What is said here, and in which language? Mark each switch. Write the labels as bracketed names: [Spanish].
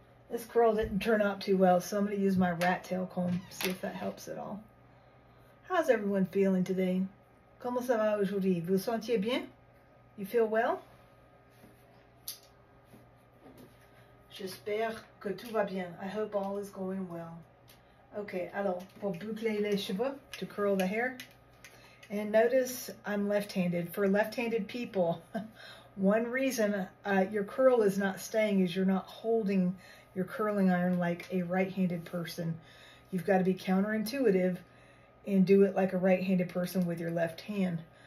[English] This curl didn't turn out too well, so I'm going to use my rat tail comb, see if that helps at all. How's everyone feeling today? [French] Comment ça va aujourd'hui? Vous sentiez bien? [English] You feel well? [French] J'espère que tout va bien. [English] I hope all is going well. [French] Okay, alors, pour boucler les cheveux, [English] to curl the hair. And notice I'm left-handed. For left-handed people, one reason your curl is not staying is you're not holding your curling iron like a right-handed person. You've got to be counterintuitive and do it like a right-handed person with your left hand.